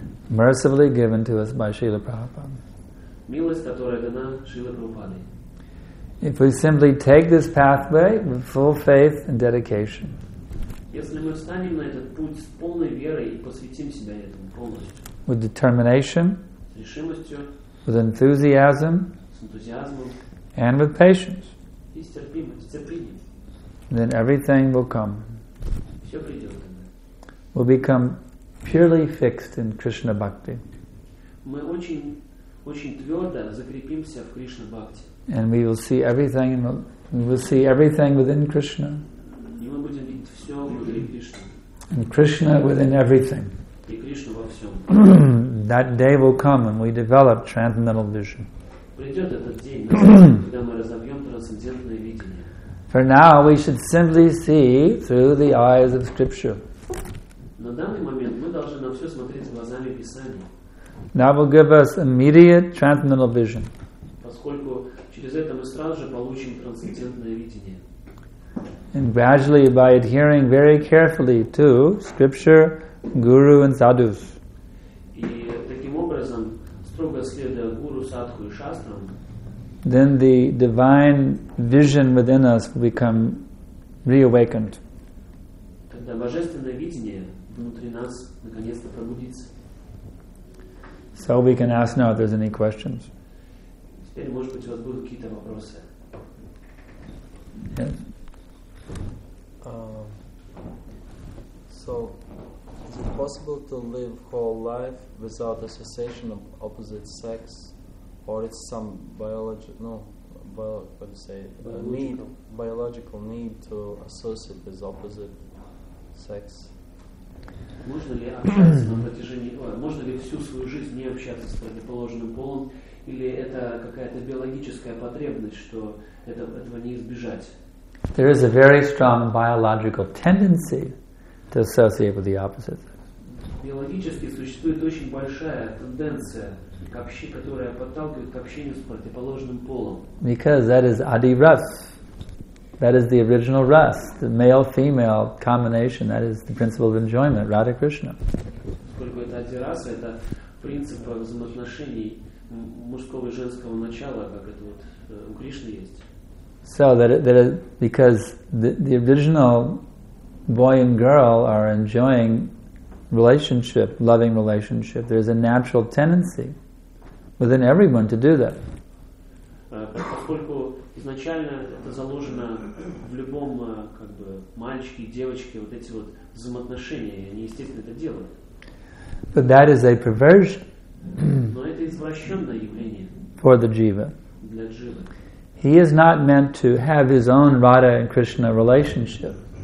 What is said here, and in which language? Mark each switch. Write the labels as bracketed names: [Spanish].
[English] Mercifully given to us by Srila Prabhupada. [Russian] Милость, которая дана Шрила Прабхупаде. [English] If we simply take this pathway with full faith and dedication. [Russian] Если мы встанем на этот путь с полной верой и посвятим себя этому полностью. [English] With determination. [Russian] С решимостью. [English] With enthusiasm. [Russian] С энтузиазмом. [English] And with patience. [Russian] И с терпимостью, с терпением. [English] Then everything will come. [Russian] Все придет. [English] We'll become purely fixed in Krishna bhakti. [Russian] Мы очень, очень твердо закрепимся в Кришна бхакти. [English] And we will see everything, and we will see everything within Krishna. [Russian] И мы будем видеть все внутри Кришны. [English] And Krishna within everything. [Russian] И Кришна во всем. [English] That day will come when we develop transcendental vision. [Russian] Придет этот день, когда мы разобьем трансцендентное видение. [English] For now, we should simply see through the eyes of Scripture. [Russian] На данный момент мы должны на все смотреть глазами Писания. [English] That will give us immediate transcendental vision. [Russian] Поскольку через это мы сразу же получим трансцендентное видение. [English] And gradually, by adhering very carefully to scripture, guru and sadhus. [Russian] И таким образом, строго следуя гуру, садху и шастрам, [English] then the divine vision within us will become reawakened. [Russian] Тогда божественное видение внутри нас наконец-то пробудится. [English] So we can ask now if there's any questions. [Russian] Теперь, может быть, у вас будут какие-то вопросы. [English] Yes. So, is it possible to live whole life without association of opposite sex? or it's some biological need to associate with opposite sex. [Russian] Можно ли общаться на протяжении, можно ли всю свою жизнь не общаться с противоположным полом, или это какая-то биологическая потребность, что этого не избежать? [English] There is a very strong biological tendency to associate with the opposite. [Russian] Биологически существует очень большая тенденция, которая подталкивает к общению с противоположным полом. [English] Because that is Adi Ras. That is the original Ras, the male-female combination. That is the principle of enjoyment, Radha Krishna. [Russian] Поскольку это Adi Ras, это принцип взаимоотношений мужского и женского начала, как это вот у Кришны есть. [English] So that is because the original boy and girl are enjoying relationship, loving relationship. There is a natural tendency within everyone to do that. [Russian] Поскольку изначально это заложено в любом как бы мальчике и девочке вот эти вот взаимоотношения, они естественно это делают. [English] But that is a perversion. [Russian] Но это извращенное явление. [English] For the jiva. [Russian] Для дживы. [English] He is not meant to have his own Radha and Krishna relationship.